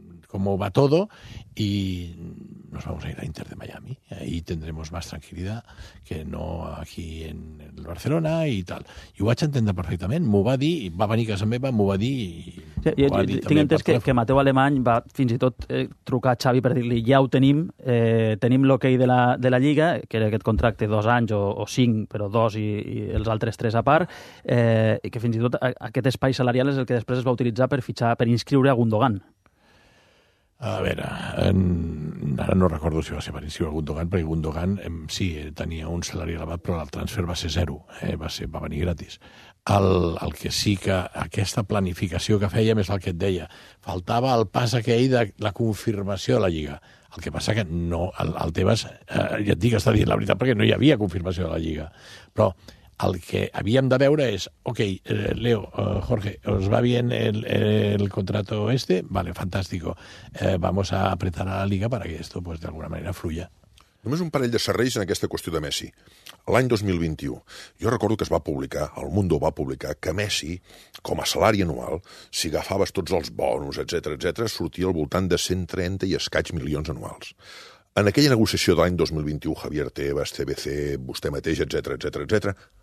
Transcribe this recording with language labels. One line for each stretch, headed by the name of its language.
Spanish: como va todo y nos vamos a ir a Inter de Miami. Ahí tendremos más tranquilidad que no aquí en el Barcelona y tal.
Catalan: I ho vaig entendre perfectament. M'ho va dir, va venir a casa meva, m'ho va dir... Tinc entès que Mateu Alemany va fins i tot trucar a Xavi per dir-li ja ho tenim, tenim l'okei de la Lliga, que era aquest contracte 2 anys o 5, però 2 i els altres 3 a part, i que fins i tot aquest espai salarial és el que després es va utilitzar per fitxar, per inscriure a Gundogan. A veure, ara no recordo si va ser per inscriure a Gundogan, perquè Gundogan sí, tenia un salari elevat, però el transfer va ser 0, va venir gratis. El que sí que aquesta planificació que fèiem és el que et deia, faltava el pas aquell de la confirmació de la Lliga. El que passa que no, el Tebas, ja et dic, està dient la veritat, perquè no hi havia confirmació de la Lliga. Però el que havíem de veure és, ok, Leo, Jorge,
Spanish: ¿os va bien el contrato este? Vale, fantástico. Vamos a apretar a la Liga para que esto, pues, de alguna manera, fluya.
Catalan: Només un parell de serrells en aquesta qüestió de Messi. L'any 2021, jo recordo que es va publicar, el Mundo va publicar, que Messi, com a salari anual, si agafaves tots els bonus, etcètera, etcètera, sortia al voltant de 130 i escaig milions anuals. En aquella negociació de l'any 2021, Javier Tebas, CBC, vostè mateix, etcètera, etcètera, etcètera,